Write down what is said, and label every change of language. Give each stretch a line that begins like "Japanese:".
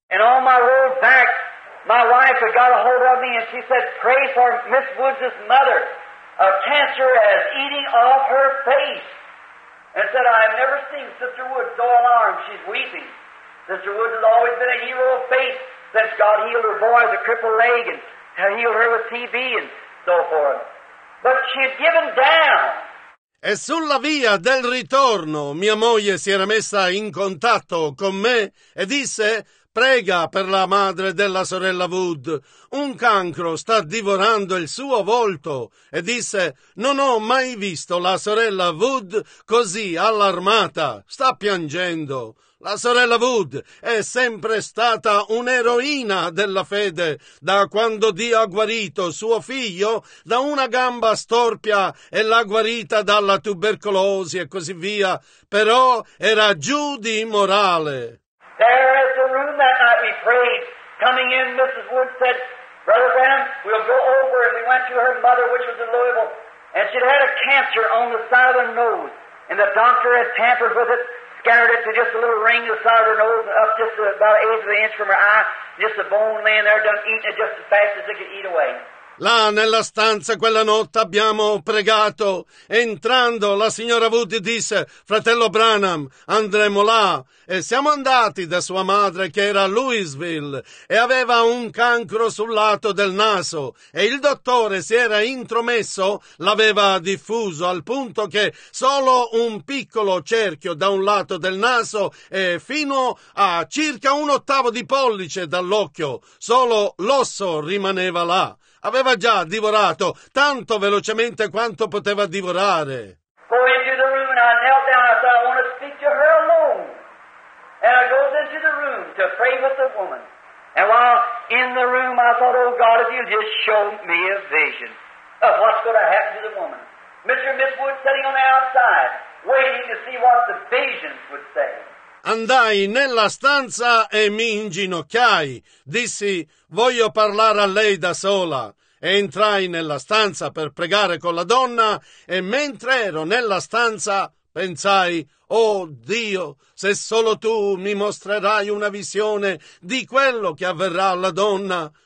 English: And on my road back, my wife had got a hold of me and she said, pray for Miss Woods' mother. A cancer is eating off her face. And said, I have never seen Sister Woods so alarmed. She's weeping. Sister Woods has always been a hero of faith since God healed her boy with a crippled leg and healed her with TB and so forth. But she had given down.
Italian: E sulla via del ritorno, mia moglie si era messa in contatto con me e disse, prega per la madre della sorella Wood. Un cancro sta divorando il suo volto. E disse, non ho mai visto la sorella Wood così allarmata. Sta piangendo. La sorella Wood è sempre stata un'eroina della fede da quando Dio ha guarito suo figlio da una gamba storpia e l'ha guarita dalla tubercolosi e così via. Però era giù di morale.
English: There at the room that night we prayed. Coming in, Mrs. Wood said, Brother Branham, we'll go over. And we went to her mother, which was in Louisville. And she'd had a cancer on the side of her nose. And the doctor had tampered with it, scattered it to just a little ring on the side of her nose, up just about an eighth of an inch from her eye. Just a bone laying there, done eating it just as fast as it could eat away.
Italian: Là nella stanza quella notte abbiamo pregato. Entrando la signora Wood disse, fratello Branham, andremo là. E siamo andati da sua madre che era a Louisville e aveva un cancro sul lato del naso. E il dottore si era intromesso, l'aveva diffuso al punto che solo un piccolo cerchio da un lato del naso e fino a circa 1/8 di pollice dall'occhio, solo l'osso rimaneva là. Aveva già divorato tanto velocemente quanto poteva divorare.
English: Go into the room and I knelt down and I said, I want to speak to her alone. And I goes into the room to pray with the woman. And while in the room I thought, oh God, if you just show me a vision of what's going to happen to the woman. Mr. and Miss Wood sitting on the outside waiting to see what the visions would say.
Italian: Andai nella stanza e mi inginocchiai. Dissi, voglio parlare a lei da sola. Entrai nella stanza per pregare con la donna e mentre ero nella stanza pensai, oh Dio, se solo tu mi mostrerai una visione di quello che avverrà alla donna.